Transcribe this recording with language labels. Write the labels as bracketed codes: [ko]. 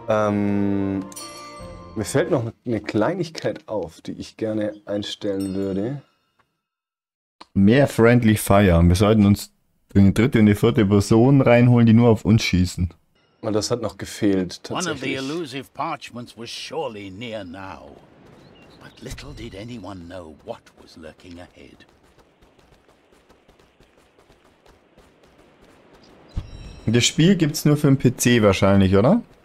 [de] Mir fällt noch eine Kleinigkeit auf, die ich gerne einstellen würde. Mehr Friendly Fire. Wir sollten uns eine dritte und eine vierte Person reinholen, die nur auf uns schießen. Und das hat noch gefehlt, tatsächlich. [en] One of the elusive parchments was surely near now. But little did anyone know what was lurking ahead. [de] Das Spiel gibt's nur für den PC wahrscheinlich, oder?